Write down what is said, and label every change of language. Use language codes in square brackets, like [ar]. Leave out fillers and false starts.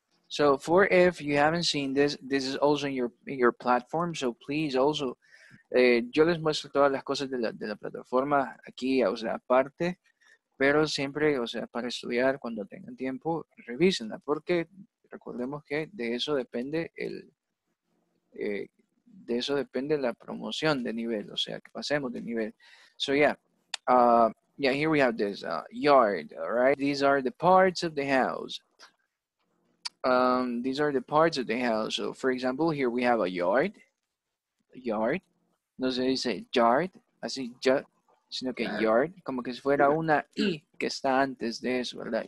[en] So for if you haven't seen this, this is also in your platform. So please also, [es] yo les muestro todas las cosas de la plataforma aquí, o sea, aparte. Pero siempre, o sea, para estudiar, cuando tengan tiempo, revísenla. Porque recordemos que de eso depende la promoción de nivel. O sea, que pasemos de nivel. [en] So, yeah, here we have this yard, all right? These are the parts of the house. These are the parts of the house. So, for example, here we have a yard. [es] Yard. No se dice yard. Así, yard. Sino que yard, como que si fuera una I que está antes de eso, ¿verdad?